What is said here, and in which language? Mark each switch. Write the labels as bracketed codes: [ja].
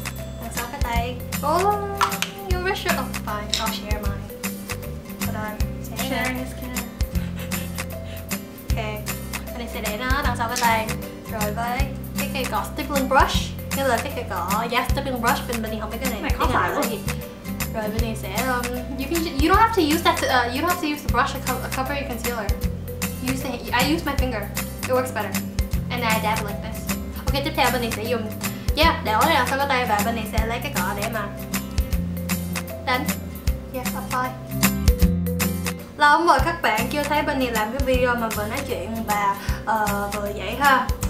[vi] Đằng sau cái tay. [en] Oh, you rush it. Oh, fine, I'll share mine. Hold on, sharing is caring. [vi] Ok, mình sẽ để nó đằng sau cái tay. Rồi với cái cây cỏ stippling brush. Nghĩa là cái cây cỏ, yeah, stippling brush. Mình không biết cái này. Mày khó phải quá. Rồi mình sẽ... [en] you don't have to use that to, you don't have to use the brush to cover your concealer. I use my finger. It works better. And then I dab like this. [vi] Ok, tiếp theo mình sẽ dùng... Yeah, để ở đây sau cái tay và bên này sẽ lấy cái cỏ để mà đánh. Yeah, apply. Lâu lắm rồi các bạn chưa thấy bên này làm cái video mà vừa nói chuyện và vừa vậy ha.